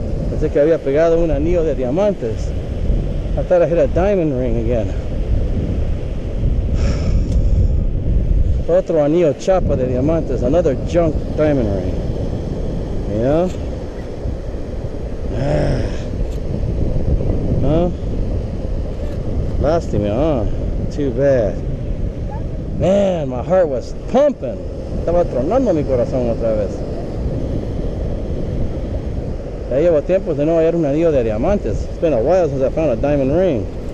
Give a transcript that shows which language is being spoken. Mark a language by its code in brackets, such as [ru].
[es] Pensé que había pegado un anillo de diamantes. [en] I thought I hit a diamond ring again. [es] Otro anillo chapa de diamantes. [en] Another junk diamond ring. Yeah. Huh? Lastime, huh? Too bad. Man, my heart was pumping. [es] Estaba tronando mi corazón otra vez. Ya llevo tiempo de no hallar un anillo de diamantes. [en] It's been a while since I found a diamond ring.